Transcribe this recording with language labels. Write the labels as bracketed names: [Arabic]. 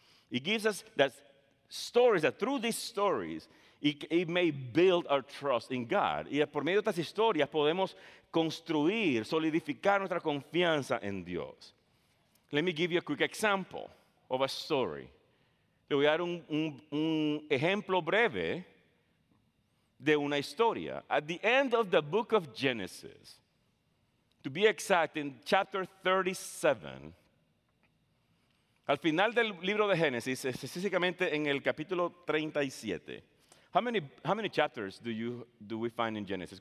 [English] It gives us that stories, that through these stories, it may build our trust in God. [Spanish] Y por medio de estas historias podemos construir, solidificar nuestra confianza en Dios. [English] Let me give you a quick example of a story. [Spanish] Le voy a dar un ejemplo breve de una historia. [English] At the end of the book of Genesis, to be exact, in chapter 37, [Spanish] al final del libro de Génesis, específicamente en el capítulo 37, [English] how many chapters do we find in Genesis?